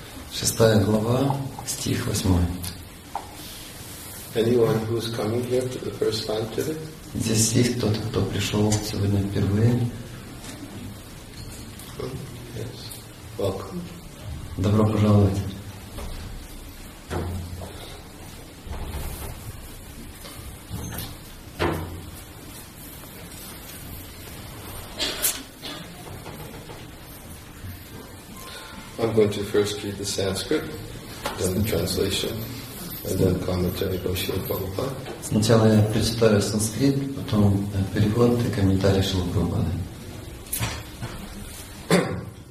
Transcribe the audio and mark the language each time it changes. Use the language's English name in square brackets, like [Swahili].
[Russian] Шестая глава, стих восьмой. [English] Anyone who is coming here for the first time today? [Russian] Здесь есть кто-то, кто пришел сегодня впервые? [English] Yes. Welcome. [Russian] Добро пожаловать. [English] I'm going to first read the Sanskrit, then the translation. And then commentary by Srila Prabhupada. [Russian] Сначала я прочитаю санскрит, потом перевод и комментарий Шрилы Прабхупады.